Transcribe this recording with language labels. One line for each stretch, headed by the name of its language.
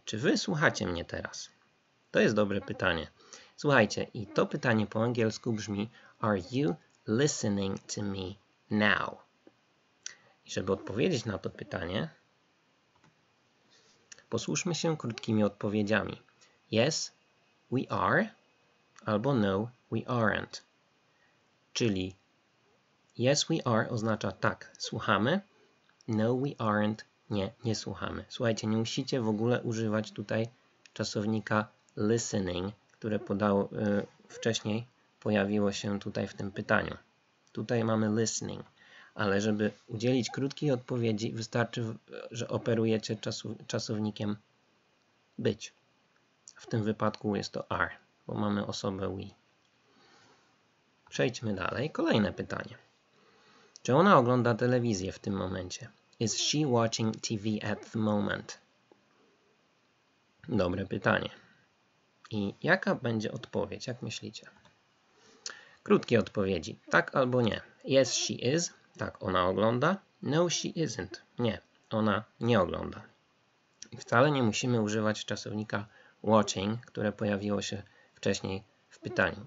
Polish: Czy wy słuchacie mnie teraz? To jest dobre pytanie. Słuchajcie, i to pytanie po angielsku brzmi:
English: Are you listening to me now?
Polish: I żeby odpowiedzieć na to pytanie, posłuszmy się krótkimi odpowiedziami.
English: Yes, we are,
Polish: albo
English: no, we aren't.
Polish: Czyli
English: yes, we are
Polish: oznacza tak, słuchamy.
English: No, we aren't,
Polish: nie, nie słuchamy. Słuchajcie, nie musicie w ogóle używać tutaj czasownika listening, które podało wcześniej, pojawiło się tutaj w tym pytaniu. Tutaj mamy listening, ale żeby udzielić krótkiej odpowiedzi, wystarczy, że operujecie czasownikiem być. W tym wypadku jest to are, bo mamy osobę we. Przejdźmy dalej. Kolejne pytanie. Czy ona ogląda telewizję w tym momencie?
English: Is she watching TV at the moment?
Polish: Dobre pytanie. I jaka będzie odpowiedź, jak myślicie? Krótkie odpowiedzi. Tak albo nie.
English: Yes, she is.
Polish: Tak, ona ogląda.
English: No, she isn't.
Polish: Nie, ona nie ogląda. I wcale nie musimy używać czasownika watching, które pojawiło się wcześniej w pytaniu.